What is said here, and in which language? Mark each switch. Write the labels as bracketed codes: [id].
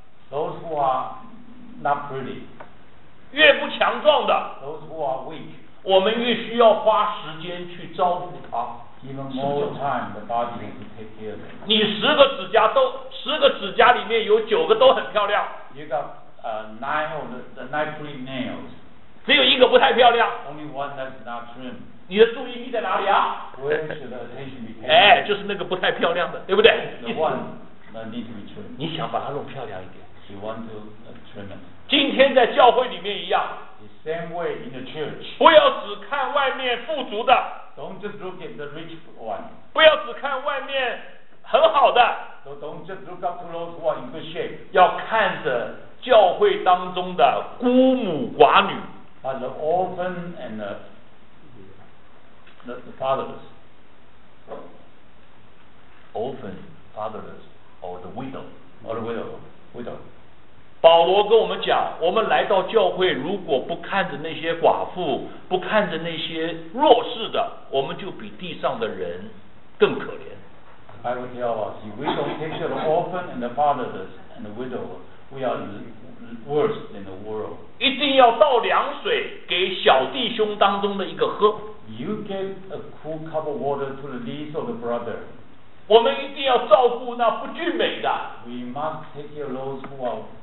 [en] ，Those who are not pretty, [zh] 越不强壮的 [en] ，Those who are weak, [zh] 我们越需要花时间去照顾他。 [en] Even more time, the body needs to take care of it. [zh] 你十个指甲都十个指甲里面有九个都很漂亮。 [en] You got nine of the nine pretty nails. [zh] 只有一个不太漂亮。 [en] Only one that's not trim. [zh] 你的注意力在哪里啊 [en] ？Where should the attention be paid? [zh] 哎，就是那个不太漂亮的，对不对 [en] ？The one that needs to be trim. [zh] 你想把它弄漂亮一点。 [en] You want to trim it. [zh] 今天在教会里面一样。 [en] The same way in the church. [zh] 不要只看外面富足的。 [en] Don't just look at the rich one. [zh] 不要只看外面很好的。 [en] So don't just look up to those who are in good shape. [zh] 要看着教会当中的孤母寡女。 [en] But the orphan and the fatherless. Orphan, fatherless, or the widow. Or the widow. Widow. [zh] 保罗跟我们讲，我们来到教会，如果不看着那些寡妇，不看着那些弱势的，我们就比地上的人更可怜。 [en] The Bible tells us, if we don't take care of the orphan and the fatherless and the widow, we are worse than the world. [zh] 一定要倒凉水给小弟兄当中的一个喝。 [en] You give a cool cup of water to the least of the brother. [zh] 我们一定要照顾那不俊美的。 [en] We must take care of those who are